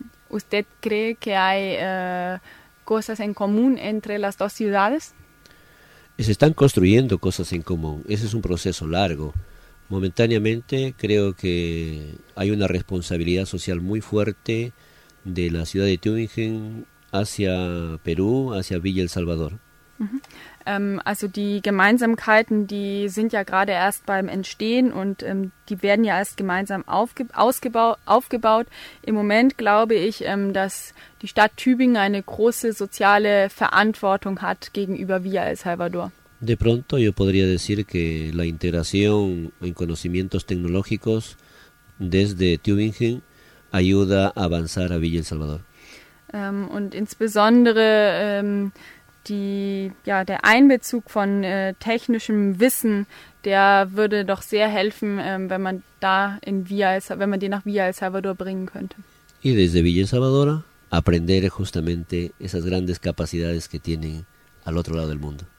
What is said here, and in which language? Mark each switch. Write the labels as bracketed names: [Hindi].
[Spanish] ¿Usted cree que hay cosas en común entre las dos ciudades? Se están construyendo cosas en común. Ese es un proceso largo. Momentáneamente creo que hay una responsabilidad social muy fuerte de la ciudad de Tübingen hacia Perú, hacia Villa El Salvador. [German] Also die Gemeinsamkeiten, die sind ja gerade erst beim Entstehen und die werden ja erst gemeinsam aufgebaut. Im Moment glaube ich, dass die Stadt Tübingen eine große soziale Verantwortung hat gegenüber Villa El Salvador. [Spanish] De pronto yo podría decir que la integración en conocimientos tecnológicos desde Tübingen ayuda a avanzar a Villa El Salvador. [German] Und insbesondere der Einbezug von technischem Wissen, der würde doch sehr helfen, wenn man den nach Villa El Salvador bringen könnte. [Spanish] Y desde Villa El Salvador aprender justamente esas grandes capacidades que tienen al otro lado del mundo.